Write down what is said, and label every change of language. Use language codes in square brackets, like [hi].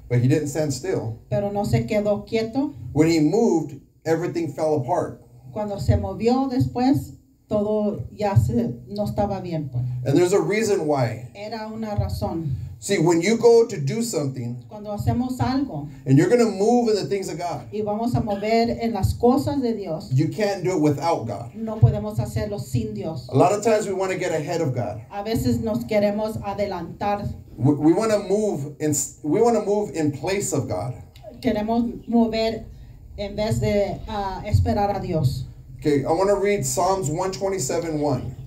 [en] But he didn't stand still. [es] Pero no se quedó quieto. [en] When he moved, everything fell apart. [es] Cuando se movió después, todo ya no estaba bien. [en] And there's a reason why. [es] Era una razón. [en] See, when you go to do something, [es] cuando hacemos algo, [en] and you're going to move in the things of God, [es] y vamos a mover en las cosas de Dios, [en] you can't do it without God. [es] No podemos hacerlo sin Dios. [en] A lot of times we want to get ahead of God. [es] A veces nos queremos adelantar. [en] We want to move in place of God. [es] Queremos mover en vez de esperar a Dios. [en] Okay, I want to read Psalms 127:1.